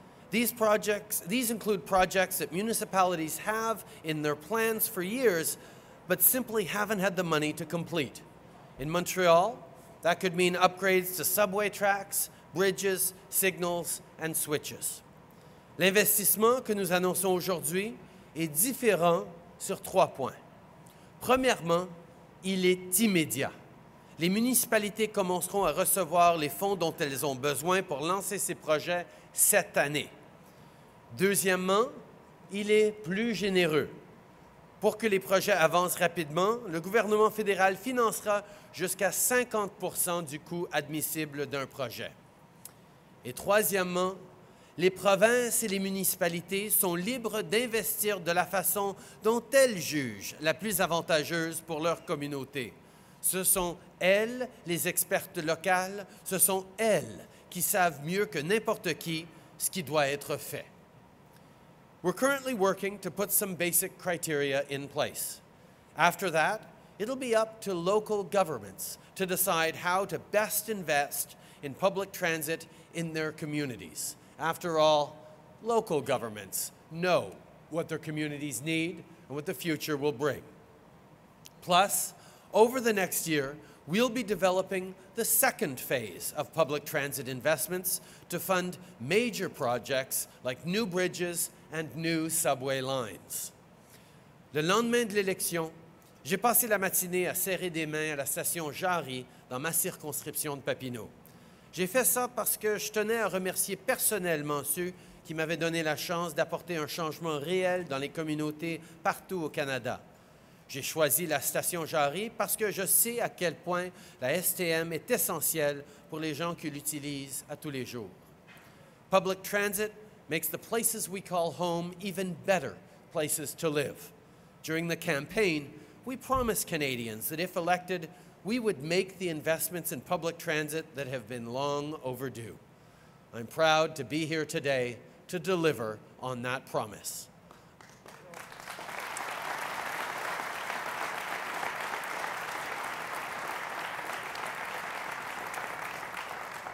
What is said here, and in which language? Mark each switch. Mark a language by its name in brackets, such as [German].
[English] These include projects that municipalities have in their plans for years, but simply haven't had the money to complete. In Montreal, that could mean upgrades to subway tracks, bridges, signals, and switches. [French] L'investissement que nous annonçons aujourd'hui est différent sur trois points. Premièrement, il est immédiat. Les municipalités commenceront à recevoir les fonds dont elles ont besoin pour lancer ces projets cette année. Deuxièmement, il est plus généreux. Pour que les projets avancent rapidement, le gouvernement fédéral financera jusqu'à 50 % du coût admissible d'un projet. Et troisièmement, les provinces et les municipalités sont libres d'investir de la façon dont elles jugent la plus avantageuse pour leur communauté. Ce sont elles, les expertes locales, ce sont elles qui savent mieux que n'importe qui ce qui doit être fait. [English] We're currently working to put some basic criteria in place. After that, it'll be up to local governments to decide how to best invest in public transit in their communities. After all, local governments know what their communities need and what the future will bring. Plus, over the next year, we'll be developing the second phase of public transit investments to fund major projects like new bridges and new subway lines. [French] Le lendemain de l'élection, j'ai passé la matinée à serrer des mains à la station Jarry dans ma circonscription de Papineau. J'ai fait ça parce que je tenais à remercier personnellement ceux qui m'avaient donné la chance d'apporter un changement réel dans les communautés partout au Canada. J'ai choisi la station Jarry parce que je sais à quel point la STM est essentielle pour les gens qui l'utilisent à tous les jours. [English] Public transit makes the places we call home even better places to live. During the campaign, we promised Canadians that if elected, we would make the investments in public transit that have been long overdue. I'm proud to be here today to deliver on that promise. [French] Encore une fois, je vous remercie tous d'être ici aujourd'hui